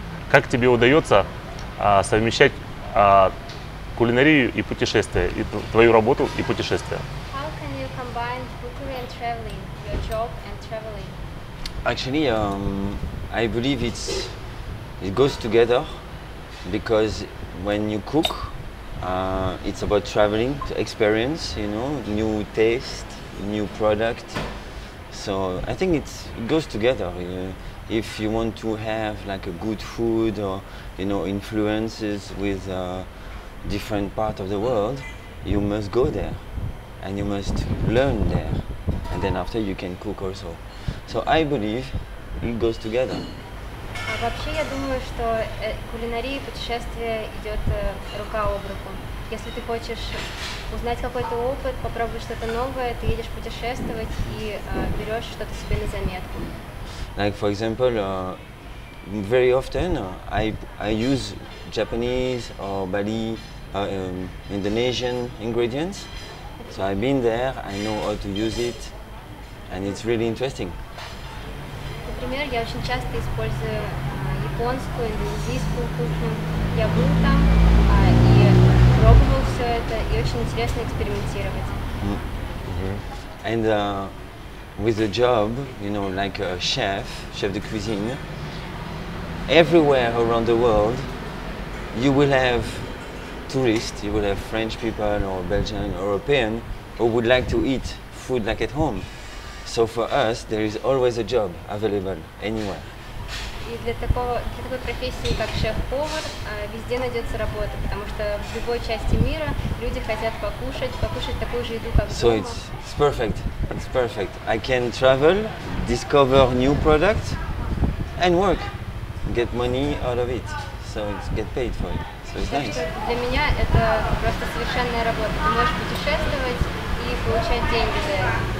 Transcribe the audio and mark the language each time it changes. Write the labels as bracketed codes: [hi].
[ru] Как тебе удается совмещать кулинарию и путешествия, и твою работу и путешествия? [en] How can you combine cookery and traveling, your job and traveling? Actually, I believe it goes together, because when you cook, it's about traveling to experience, you know, new taste, new product. So I think it goes together. If you want to have like a good food or, you know, influences with different part of the world, you must go there and you must learn there, and then after you can cook also. So I believe it goes together. [ru] Вообще я думаю, что кулинария и путешествие идет рука об руку. Если ты хочешь узнать какой-то опыт, попробовать что-то новое, ты едешь путешествовать и берешь что-то себе на заметку. [en] Like for example, very often I use Japanese or Bali, Indonesian ingredients. So I've been there, I know how to use it, and it's really interesting. [ru] Например, я очень часто использую японскую, индонезийскую кухню. Я был там и пробовал все это, и очень интересно экспериментировать. Mm-hmm. [en] And with a job, you know, like a chef de cuisine, everywhere around the world, you will have tourists, you will have French people or Belgian, European, who would like to eat food like at home. So for us, there is always a job available anywhere. [ru] И для такой профессии, как шеф-повар, везде найдется работа, потому что в любой части мира люди хотят покушать такую же еду, как дома. [en] So it's perfect. It's perfect. I can travel, discover new products, and work, get money out of it, so it's get paid for it. So it's nice. [ru] Для меня это просто совершенная работа. Ты можешь путешествовать и получать деньги за это.